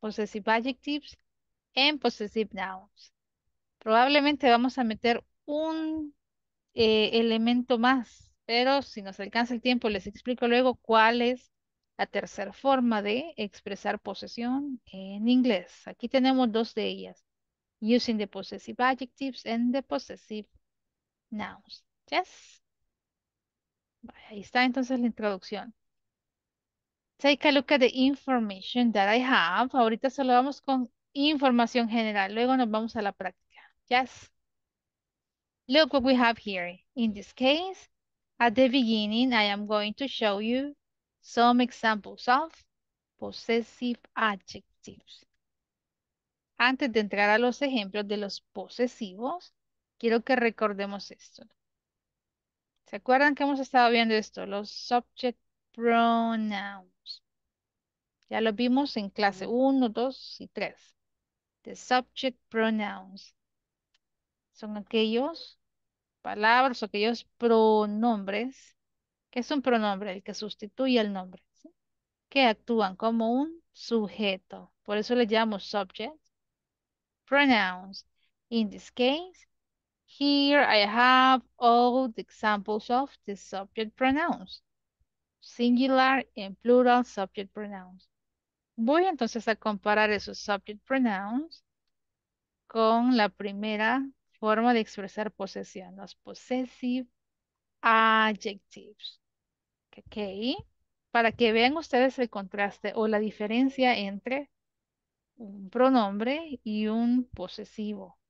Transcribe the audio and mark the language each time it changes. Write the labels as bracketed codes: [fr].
[en] Possessive adjectives and possessive nouns. [es] Probablemente vamos a meter un elemento más, pero si nos alcanza el tiempo, les explico luego cuál es la tercera forma de expresar posesión en inglés. Aquí tenemos dos de ellas. [en] Using the possessive adjectives and the possessive nouns. Yes. [es] Ahí está entonces la introducción. [en] Take a look at the information that I have. [es] Ahorita solo vamos con información general. Luego nos vamos a la práctica. Yes. [en] Look what we have here. In this case, at the beginning, I am going to show you some examples of possessive adjectives. [es] Antes de entrar a los ejemplos de los posesivos, quiero que recordemos esto. ¿Se acuerdan que hemos estado viendo esto? Los subject pronouns. Ya lo vimos en clase 1, 2 y 3. The subject pronouns son aquellos palabras o aquellos pronombres. ¿Qué es un pronombre? El que sustituye al nombre, ¿sí? Que actúan como un sujeto. Por eso le llamo subject pronouns. [en] In this case, here I have all the examples of the subject pronouns. Singular and plural subject pronouns. [es] Voy entonces a comparar esos subject pronouns con la primera forma de expresar posesión, los possessive adjectives. Ok. Para que vean ustedes el contraste o la diferencia entre un pronombre y un posesivo.